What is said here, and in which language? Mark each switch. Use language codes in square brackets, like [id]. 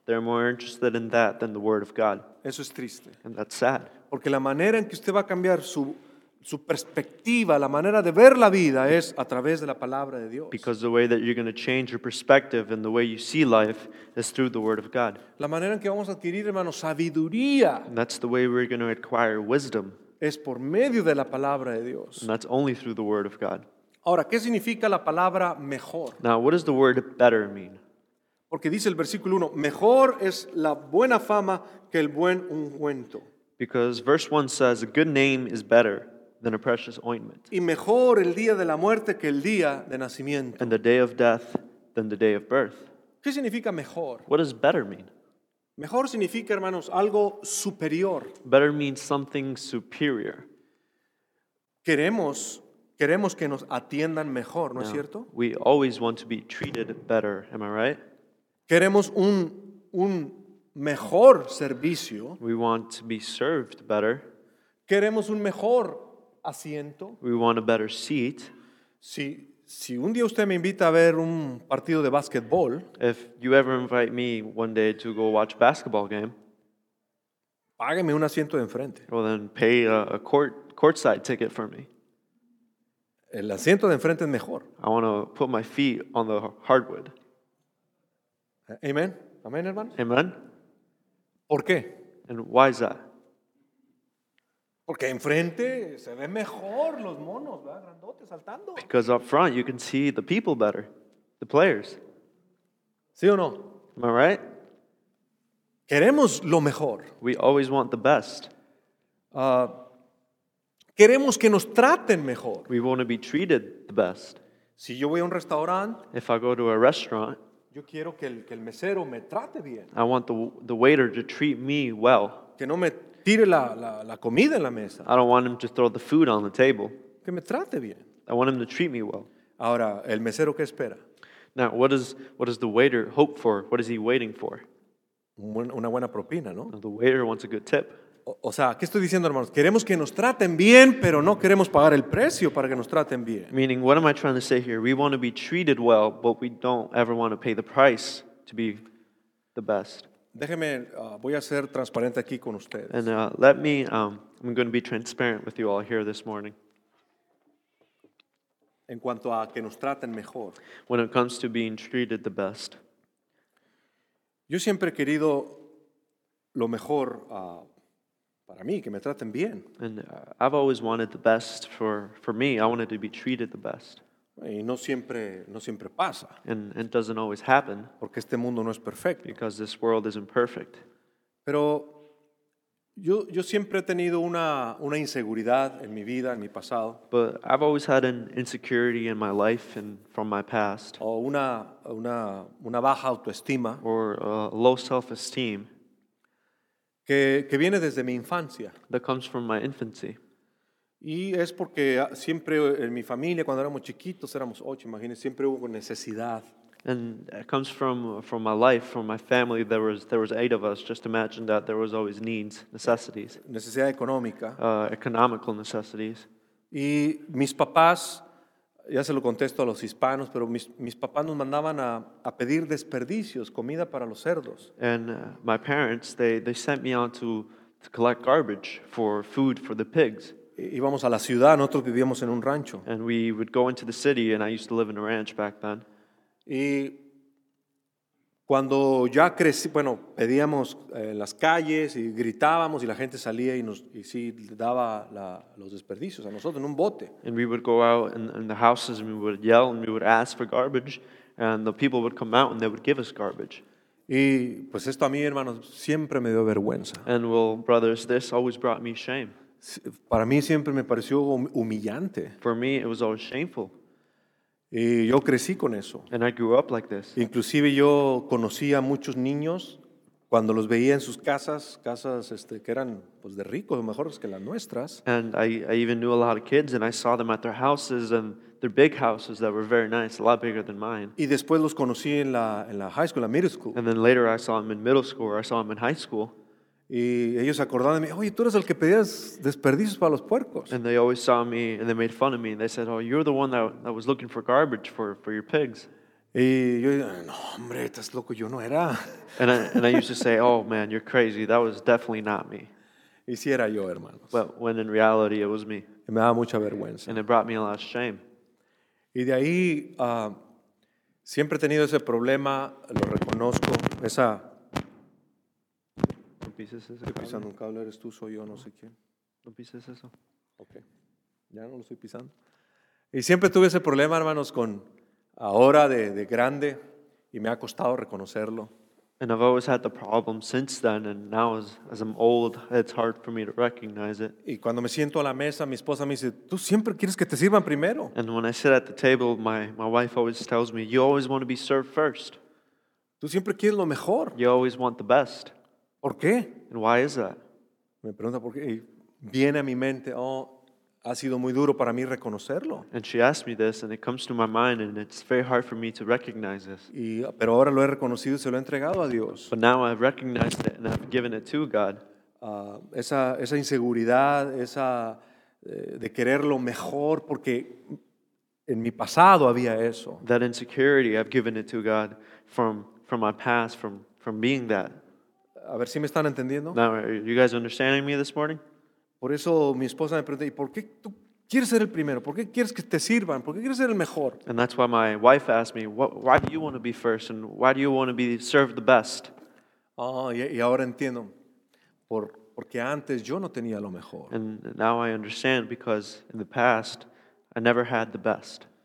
[en] They're more interested in that than the word of God. [es] Eso es triste. [en] And that's sad. [es] Porque la manera en que usted va a cambiar su perspectiva, la manera de ver la vida es a través de la palabra de Dios. [en] Because the way that you're going to change your perspective and the way you see life is through the word of God. [es] La manera en que vamos a adquirir, hermanos, sabiduría. [en] And that's the way we're going to acquire wisdom. [es] Es por medio de la palabra de Dios. [en] And that's only through the word of God. [es] Ahora, ¿qué significa la palabra mejor? [en] Now, what does the word better mean? [es] Porque dice el versículo 1, mejor es la buena fama que el buen ungüento. [en] Because verse 1 says, a good name is better than a precious ointment. [es] Y mejor el día de la muerte que el día de nacimiento. [en] And the day of death than the day of birth. [es] ¿Qué significa mejor? [en] What does better mean? [es] Mejor significa, hermanos, algo superior. [en] Better means something superior. [es] Queremos que nos atiendan mejor, ¿no es cierto? [en] We always want to be treated better, am I right? [es] Queremos un mejor servicio. [en] We want to be served better. [es] Queremos un mejor asiento. [en] We want a better seat. [es] Si un día usted me invita a ver un partido de basketball, [en] if you ever invite me one day to go watch a basketball game, [es] págame un asiento de enfrente. [en] Well, then pay a courtside ticket for me. [es] El asiento de enfrente es mejor. [en] I want to put my feet on the hardwood. [es] Amen. Amen, hermanos. [en] Amen. [es] ¿Por qué? [en] And why is that? [es] Porque enfrente se ven mejor los monos, ¿verdad? Grandotes saltando. [en] Because up front you can see the people better, the players. [es] ¿Sí o no? [en] Am I right? [es] Queremos lo mejor. [en] We always want the best. [es] Queremos que nos traten mejor. [en] We want to be treated the best. [es] Si yo voy a un restaurante, [en] if I go to a restaurant, [es] yo quiero que el mesero me trate bien. [en] I want the waiter to treat me well. [es] Que no me tire la comida en la mesa. [en] I don't want him to throw the food on the table. [es] Que me trate bien. [en] I want him to treat me well. [es] Ahora, ¿el mesero qué espera? [en] Now, what does the waiter hope for? What is he waiting for? [es] Una buena propina, ¿no? [en] The waiter wants a good tip. [es] O sea, ¿qué estoy diciendo, hermanos? Queremos que nos traten bien, pero no queremos pagar el precio para que nos traten bien. [en] Meaning, what am I trying to say here? We want to be treated well, but we don't ever want to pay the price to be the best. [es] Déjeme, voy a ser transparente aquí con ustedes. [en] And let me, I'm going to be transparent with you all here this morning. [es] En cuanto a que nos traten mejor. [en] When it comes to being treated the best. [es] Yo siempre he querido lo mejor para mí, que me traten bien. [en] And I've always wanted the best for me. I wanted to be treated the best. [es] Y no siempre pasa. [en] And it doesn't always happen. [es] Porque este mundo no es perfecto. [en] Because this world isn't perfect. [es] Pero yo siempre he tenido una inseguridad en mi vida, en mi pasado. [en] But I've always had an insecurity in my life and from my past. [es] O una baja autoestima. [en] Or low self-esteem. [es] Que viene desde mi infancia. [en] That comes from my infancy. [es] Y es porque siempre en mi familia, cuando éramos chiquitos, éramos 8, imagínense, siempre hubo necesidad. [en] And it comes from my life, from my family, there was 8 of us. Just imagine that there was always needs, necessities. [es] Necesidad económica. [en] Economical necessities. [es] Y mis papás, ya se lo contesto a los hispanos, pero mis papás nos mandaban a pedir desperdicios, comida para los cerdos. [en] And my parents, they sent me out to collect garbage for food for the pigs. [es] Íbamos a la ciudad, nosotros vivíamos en un rancho. [en] And we would go into the city, and I used to live in a ranch back then. [es] Y cuando ya crecí, bueno, pedíamos en las calles y gritábamos y la gente salía y sí daba los desperdicios a nosotros en un bote. [en] And we would go out in the houses and we would yell and we would ask for garbage and the people would come out and they would give us garbage. [es] Y pues esto a mí, hermanos, siempre me dio vergüenza. [en] And well, brothers, this always brought me shame. [es] Para mí siempre me pareció humillante. [en] For me, it was always shameful. [es] Y yo crecí con eso. [en] And I grew up like this. [es] Inclusive yo conocía muchos niños cuando los veía en sus casas que eran pues de ricos, mejores que las nuestras. [en] And I even knew a lot of kids and I saw them at their houses and their big houses that were very nice, a lot bigger than mine. [es] Y después los conocí en la high school, la middle school. [en] And then later I saw them in middle school or I saw them in high school. [es] Y ellos acordaban de mí, oye, tú eres el que pedías desperdicios para los puercos. [en] And they always saw me, and they made fun of me, and they said, oh, you're the one that was looking for garbage for your pigs. [es] Y yo, no, hombre, estás loco, yo no era. [en] And I used to say, oh, man, you're crazy, that was definitely not me. [es] Y sí era yo, hermanos. [en] But when in reality, it was me. [es] Y me daba mucha vergüenza. [en] And it brought me a lot of shame. [es] Y de ahí, siempre he tenido ese problema, lo reconozco, esa... Estoy pisando un cable, eres tú, soy yo, no sé quién. No pises eso. Ok, ya no lo estoy pisando. Y siempre tuve ese problema, hermanos, con ahora de grande, y me ha costado reconocerlo. [en] And I've always had the problem since then, and now as I'm old, it's hard for me to recognize it. [es] Y cuando me siento a la mesa, mi esposa me dice, tú siempre quieres que te sirvan primero. [en] And when I sit at the table, my wife always tells me, you always want to be served first. [es] Tú siempre quieres lo mejor. [en] You always want the best. [es] ¿Por qué? [en] And why is that? [es] Me pregunta por qué. Y viene a mi mente, oh, ha sido muy duro para mí reconocerlo. [en] And she asked me this, and it comes to my mind, and it's very hard for me to recognize this. [es] Pero ahora lo he reconocido y se lo he entregado a Dios. [en] But now I've recognized it, and I've given it to God. [es] Esa inseguridad, esa de querer lo mejor, porque en mi pasado había eso. [en] That insecurity, I've given it to God from my past, from being that. [es] A ver si me están entendiendo. [en] Now, are you guys understanding me this morning? [es] Por eso mi esposa me pregunta, ¿y por qué tú quieres ser el primero? ¿Por qué quieres que te sirvan? ¿Por qué quieres ser el mejor? [en] And that's why my wife asked me, why do you want to be first and why do you want to be served the best? [es] Oh, y ahora entiendo. Porque antes yo no tenía lo mejor. [en] And now I understand because in the past I never had the best.